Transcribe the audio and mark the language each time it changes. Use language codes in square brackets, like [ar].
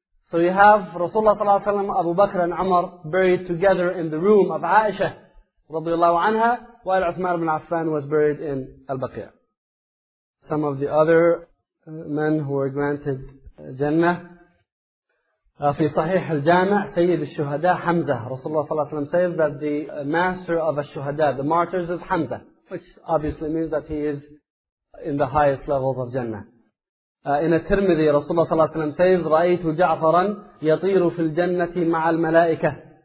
[en] So you have Rasulullah sallallahu alayhi wa sallam, Abu Bakr and Umar buried together in the room of Aisha radiallahu anha, while Uthman ibn Affan was buried in Al-Baqi'ah. Some of the other men who were granted Jannah. [ar] في صحيح الجامع سيد الشهداء حمزة. [en] Rasulullah sallallahu alayhi wa sallam says that the master of الشهداء, the martyrs, is Hamza, which obviously means that he is in the highest levels of Jannah. In a Tirmidhi, Rasulullah sallallahu alayhi wa sallam says, [ar] رَأَيْتُ جَعْفَرًا يَطِيرُ فِي الْجَنَّةِ مَعَ الْمَلَائِكَةِ.